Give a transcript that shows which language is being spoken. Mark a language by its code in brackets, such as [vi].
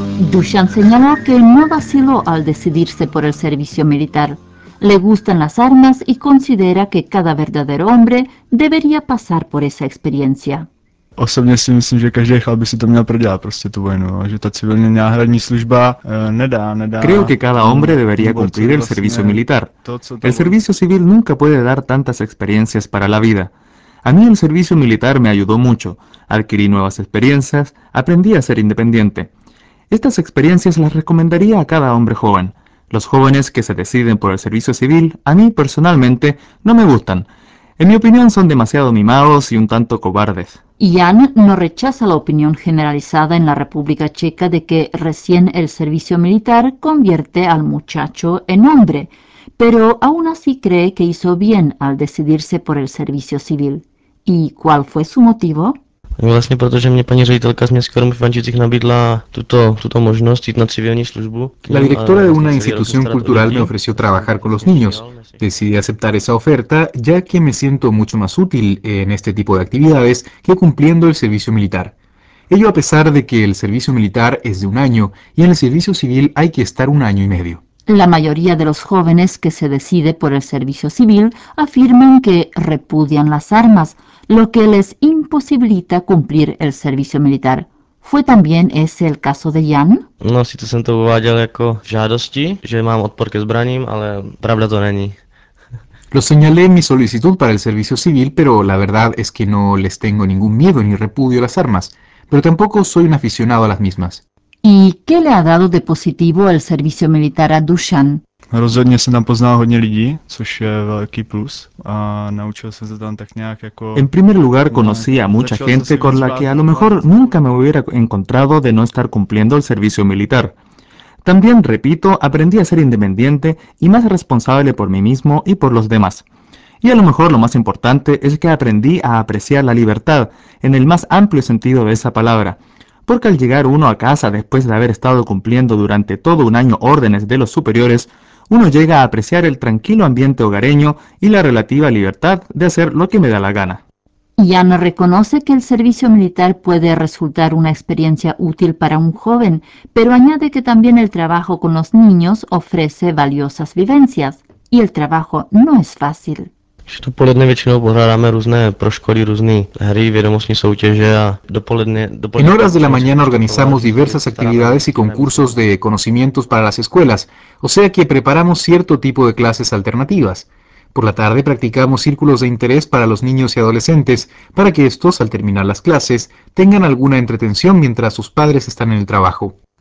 [es] Dusan señaló que no vaciló al decidirse por el servicio militar. Le gustan las armas y considera que cada verdadero hombre debería pasar por esa experiencia. [cs] Osobně si myslím, že každý chlap by si to měl prodělat, prostě tu vojnu, že ta civilní náhradní služba nedá. [es] Creo que cada hombre debería cumplir el servicio militar. El servicio civil nunca puede dar tantas experiencias para la vida. A mí el servicio militar me ayudó mucho. Adquirí nuevas experiencias, aprendí a ser independiente. Estas experiencias las recomendaría a cada hombre joven. Los jóvenes que se deciden por el servicio civil, a mí personalmente, no me gustan. En mi opinión son demasiado mimados y un tanto cobardes. Jan no rechaza la opinión generalizada en la República Checa de que recién el servicio militar convierte al muchacho en hombre, pero aún así cree que hizo bien al decidirse por el servicio civil. ¿Y cuál fue su motivo? [cs] Vlastně protože mě paní ředitelka z městského domu Ivančicích nabídla tuto možnost jít na civilní službu. [es] La directora de una institución cultural me ofreció trabajar con los niños. Decidí aceptar esa oferta ya que me siento mucho más útil en este tipo de actividades que cumpliendo el servicio militar. Ello a pesar de que el servicio militar es de un año y en el servicio civil hay que estar un año y medio. La mayoría de los jóvenes que se decide por el servicio civil afirman que repudian las armas, lo que les imposibilita cumplir el servicio militar. ¿Fue también ese el caso de Jan? [cs] No, si sí, to uváděl jako žádosti, že mám odpor ke zbraním, ale pravda to není. [es] Lo señalé en mi solicitud para el servicio civil, pero la verdad es que no les tengo ningún miedo ni repudio a las armas, pero tampoco soy un aficionado a las mismas. ¿Y qué le ha dado de positivo el servicio militar a Dusan? [cs] Rozhodně jsem tam poznal hodně lidí, což je velký plus. A naučil jsem se tam tak nějak jako... [es] En primer lugar conocí a mucha gente con la que a lo mejor nunca me hubiera encontrado de no estar cumpliendo el servicio militar. También, repito, aprendí a ser independiente y más responsable por mí mismo y por los demás. Y a lo mejor lo más importante es que aprendí a apreciar la libertad en el más amplio sentido de esa palabra. Porque al llegar uno a casa después de haber estado cumpliendo durante todo un año órdenes de los superiores, uno llega a apreciar el tranquilo ambiente hogareño y la relativa libertad de hacer lo que me da la gana. Jan reconoce que el servicio militar puede resultar una experiencia útil para un joven, pero añade que también el trabajo con los niños ofrece valiosas vivencias, y el trabajo no es fácil. [cs] Že dopoledne většinou pořádáme různé proškoly, různé hry, vědomostní soutěže a dopoledne... [es] En horas de la mañana organizamos diversas actividades y concursos de conocimientos para las escuelas, o sea que preparamos cierto tipo de clases alternativas. Por la tarde practicamos círculos de interés para los niños y adolescentes, para que estos, al terminar las clases, tengan alguna entretención mientras sus padres están en el trabajo.